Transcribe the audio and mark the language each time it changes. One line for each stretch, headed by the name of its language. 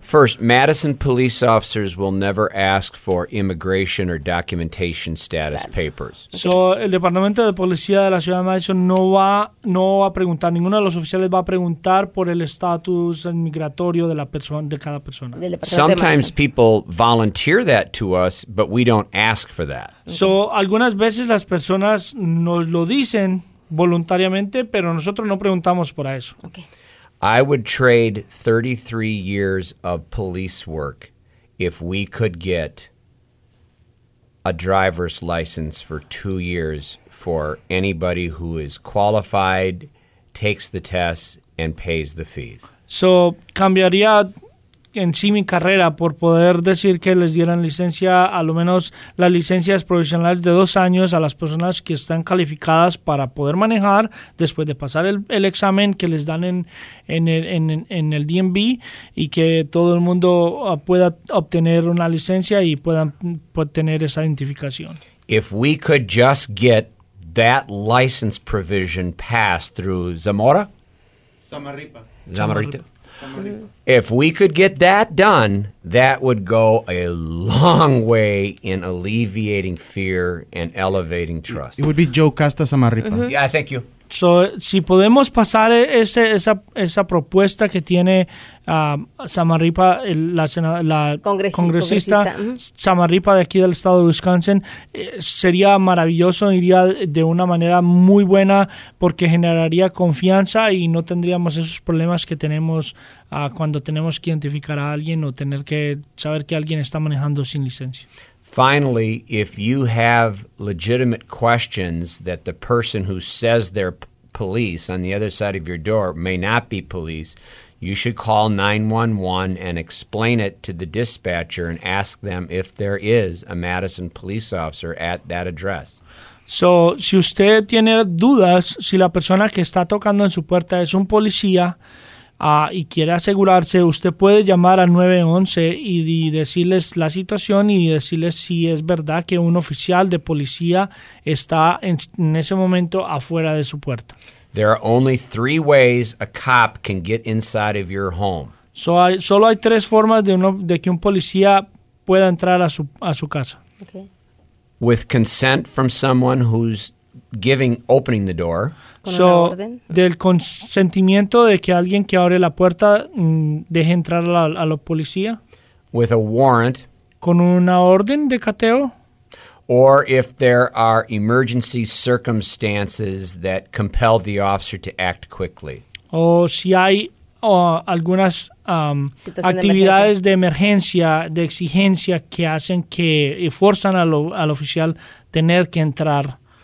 English: First, Madison police officers will never ask for immigration or documentation status. Papers. Okay.
Spanish: So, el Departamento de Policía de la Ciudad de Madison no va a preguntar, ninguno de los oficiales va a preguntar por el estatus migratorio de la persona, de cada persona.
English: Sometimes people volunteer that to us, but we don't ask for that. Okay.
Spanish: So, algunas veces las personas nos lo dicen voluntariamente, pero nosotros no preguntamos por eso.
English: Okay. I would trade 33 years of police work if we could get a driver's license for 2 years for anybody who is qualified, takes the tests, and pays the fees.
Spanish: So, cambiaría en sí mi carrera por poder decir que les dieran licencia, a lo menos las licencias provisionales de 2 años a las personas que están calificadas para poder manejar después de pasar el examen que les dan en el DMV y que todo el mundo pueda obtener una licencia y puedan tener esa identificación.
English: If we could just get that license provision passed through Zamarripa. If we could get that done, that would go a long way in alleviating fear and elevating trust. It would be Joe Casta Samarripa. Mm-hmm. Yeah, thank you.
Spanish: So, si podemos pasar esa propuesta que tiene Samarripa, la congresista Samarripa de aquí del estado de Wisconsin, sería maravilloso, iría de una manera muy buena porque generaría confianza y no tendríamos esos problemas que tenemos cuando tenemos que identificar a alguien o tener que saber que alguien está manejando sin licencia.
English: Finally, if you have legitimate questions that the person who says they're police on the other side of your door may not be police, you should call 911 and explain it to the dispatcher and ask them if there is a Madison police officer at that address.
Spanish: So, si usted tiene dudas, si la persona que está tocando en su puerta es un policía, y quiere asegurarse, usted puede llamar al 911 y decirles la situación y decirles si es verdad que un oficial de policía está en ese momento afuera de su puerta.
English: There are only 3 ways a cop can get inside of your home.
Spanish: Solo hay 3 formas de que un policía pueda entrar a su casa.
English: Okay. With consent from someone who's opening the door.
Spanish: So, del consentimiento de que alguien que abre la puerta deje entrar a la policía.
English: With a warrant.
Spanish: Con una orden de cateo.
English: Or if there are emergency circumstances that compel the officer to act quickly.
Spanish: O si hay algunas actividades de emergencia, de exigencia que hacen que forzan al oficial tener que entrar.